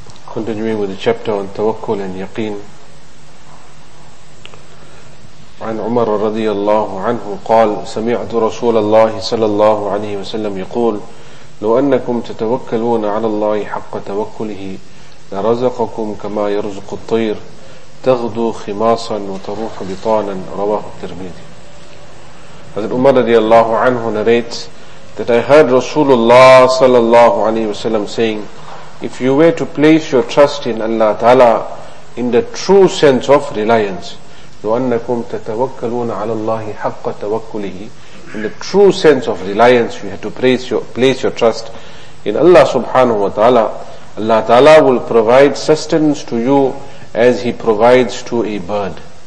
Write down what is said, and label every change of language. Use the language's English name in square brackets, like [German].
[English] Continuing with the chapter on توكل and يقين. [Arabic] عن عمر رضي الله عنه قال سمعت رسول الله صلى الله عليه وسلم يقول لو أنكم تتوكلون على الله حق توكله لرزقكم كما يرزق الطير تغدو خماصا وتروح بطانا. رواه الترمذي. [English] هذا عمر رضي الله عنه narrates that I heard Rasulullah sallallahu alayhi wasallam saying, if you were to place your trust in Allah Ta'ala in the true sense of reliance, [Arabic] لُوَنَّكُمْ تَتَوَكَّلُونَ عَلَى اللَّهِ حَقَّ تَوَكُّلِهِ, [English] in the true sense of reliance, you had to place your trust in Allah subhanahu wa ta'ala, Allah Ta'ala will provide sustenance to you as He provides to a bird.